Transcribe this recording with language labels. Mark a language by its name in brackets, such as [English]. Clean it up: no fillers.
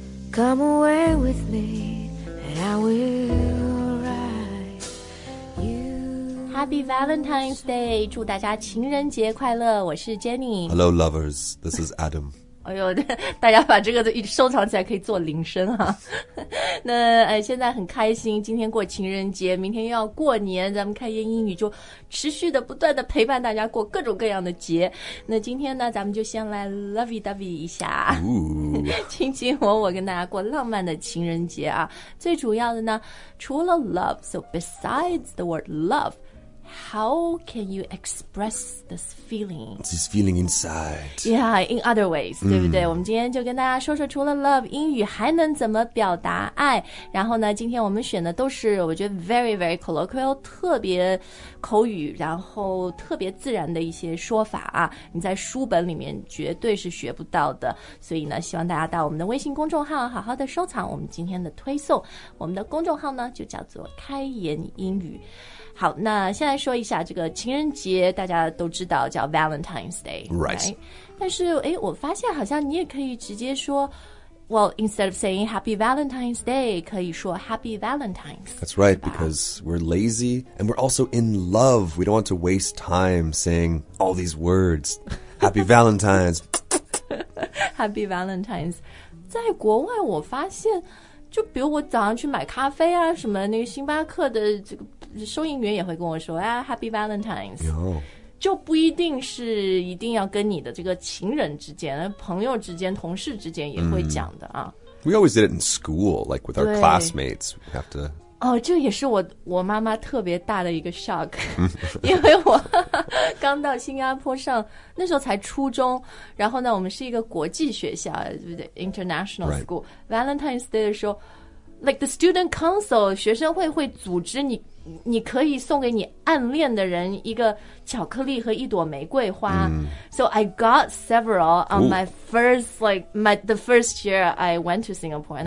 [English] Come away with me and I will write you. Happy Valentine's Day. [Chinese] 祝大家情人节快乐。我是 Jenny. [English] Hello lovers, this is Adam. [Chinese] 哎呦，大家把这个一收藏起来，可以做铃声啊。那现在很开心，今天过情人节，明天又要过年，咱们开言英语就持续的不断的陪伴大家过各种各样的节。那今天呢，咱们就先来 [English] lovey dovey [Chinese] 一下，卿卿我我跟大家过浪漫的情人节啊。最主要的呢，除了 [English] love, so besides the word love,How can you express this feeling? This feeling inside. Yeah, in other ways,、 [Chinese] mm. 对不对？我们今天就跟大家说说除了 love, 英语还能怎么表达爱。然后呢，今天我们选的都是我觉得 [English] very, very colloquial, [Chinese] 特别口语，然后特别自然的一些说法啊。你在书本里面绝对是学不到的。所以呢，希望大家到我们的微信公众号好好的收藏我们今天的推送。我们的公众号呢，就叫做开言英语。好，那先来说一下这个情人节，大家都知道叫 Valentine's Day, [English] right? Right? [Chinese] 但是诶，我发现好像你也可以直接说 [English] well, instead of saying Happy Valentine's Day, [Chinese] 可以说 Happy Valentine's. [English] That's right, because we're lazy and we're also in love. We don't want to waste time saying all these words. Happy Valentine's. Happy Valentine's. [Chinese] 在国外我发现就比如我早上去买咖啡啊什么那个星巴克的这个收银员也会跟我说、啊、Happy Valentine's、 [English] Yo. [Chinese] 就不一定是一定要跟你的这个情人之间朋友之间同事之间也会讲的啊。 [English] Mm. We always did it in school, like with our classmates. We have to... [Chinese] 哦，这也是我妈妈特别大的一个 shock, 因为我刚到新加坡上那时候才初中，然后呢，我们是一个国际学校，对不对 ？International school、 [English] right. [Chinese] Valentine's Day 的时候 ， [English] like the student council [Chinese] 学生会会组织你可以送给你暗恋的人一个巧克力和一朵玫瑰花。 [English] Mm. So I got several on、Ooh. My first like my the first year I went to Singapore, and、